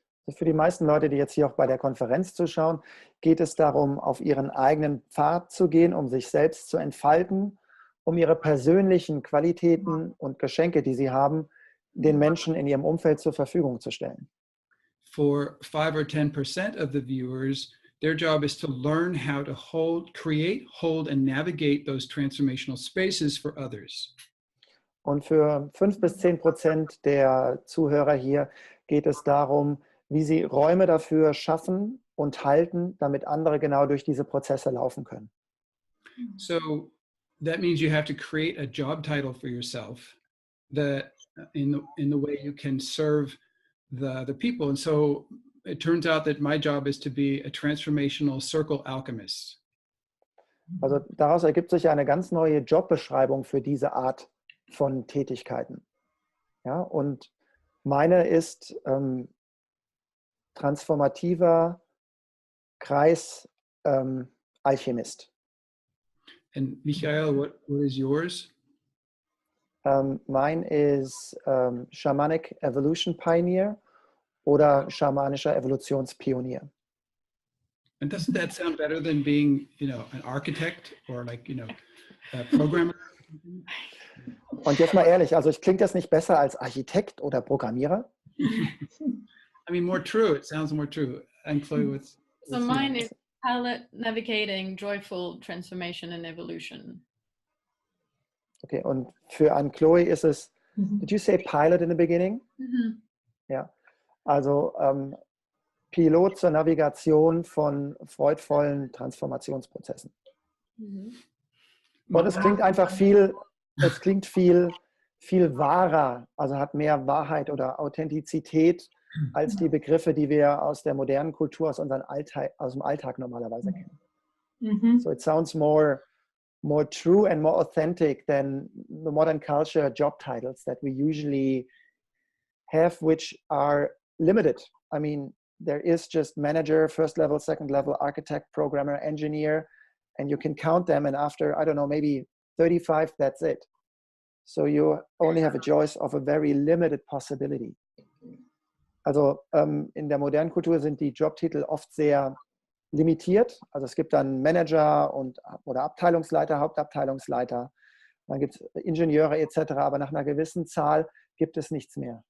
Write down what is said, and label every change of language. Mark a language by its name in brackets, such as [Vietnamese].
[German] Für die meisten Leute, die jetzt hier auch bei der Konferenz zuschauen, geht es darum, auf ihren eigenen Pfad zu gehen, um sich selbst zu entfalten, um ihre persönlichen Qualitäten und Geschenke, die sie haben, den Menschen in ihrem Umfeld zur Verfügung zu stellen. [English] For 5 or 10% of the viewers, their job is to learn how to hold, create, hold and navigate those transformational spaces for others. [German] Und für 5 bis 10% der Zuhörer hier geht es darum, wie sie Räume dafür schaffen und halten, damit andere genau durch diese Prozesse laufen können. [English] So that means you have to create a job title for yourself that in the way you can serve the people. And so it turns out that my job is to be a transformational circle alchemist. [German] Also daraus ergibt sich eine ganz neue Jobbeschreibung für diese Art von Tätigkeiten. Ja, und meine ist transformativer Kreis Alchemist. [English] And Michael, what is yours? Mine is Shamanic Evolution Pioneer [German] oder Schamanischer Evolutionspionier. [English] And doesn't that sound better than being, you know, an architect or like, you know, a programmer? [German] Und jetzt mal ehrlich, also ich klingt das nicht besser als Architekt oder Programmierer? [English] I mean, more true. It sounds more true. And Chloe, what's so what's mine next? Is palette navigating joyful transformation and evolution. [German] Okay, und für Anne Chloe ist es, [English] did you say pilot in the beginning? [German] Mm-hmm. Ja, also Pilot zur Navigation von freudvollen Transformationsprozessen. Mm-hmm. Und es klingt einfach viel, es klingt viel, viel wahrer, also hat mehr Wahrheit oder Authentizität als die Begriffe, die wir aus der modernen Kultur, aus unserem Alltag, normalerweise kennen. Mm-hmm. [English] So it sounds more true and more authentic than the modern culture job titles that we usually have, which are limited. I mean, there is just manager, first level, second level, architect, programmer, engineer, and you can count them. And after, I don't know, maybe 35, that's it. So you only have a choice of a very limited possibility. [German] Also in der modernen Kultur sind die Jobtitel oft sehr limitiert. Also es gibt dann Manager oder Abteilungsleiter, Hauptabteilungsleiter. Dann gibt es Ingenieure etc. Aber nach einer gewissen Zahl gibt es nichts mehr.